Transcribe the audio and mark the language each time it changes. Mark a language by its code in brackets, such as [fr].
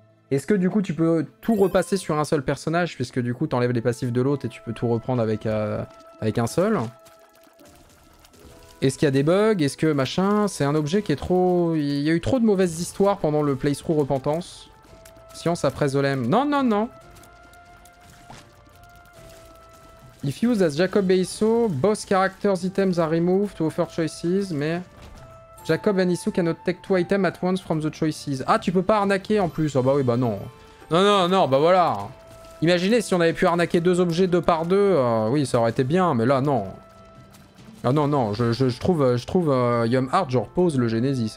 [fr] Est-ce que du coup tu peux tout repasser sur un seul personnage puisque du coup t'enlèves les passifs de l'autre et tu peux tout reprendre avec, avec un seul? Est-ce qu'il y a des bugs? Est-ce que machin? C'est un objet qui est trop... Il y a eu trop de mauvaises histoires pendant le playthrough Repentance. Science après Zolem. Non, non, non. [en] If used as Jacob et Iso, boss characters items are removed to offer choices, [fr] mais... [en] Jacob and Iso cannot take two items at once from the choices. [fr] Ah, tu peux pas arnaquer en plus. Ah bah oui, bah non. Non, non, non, bah voilà. Imaginez si on avait pu arnaquer deux objets deux par deux. Oui, ça aurait été bien, mais là, non. Ah non, non, je trouve Yum Heart, je repose le Genesis.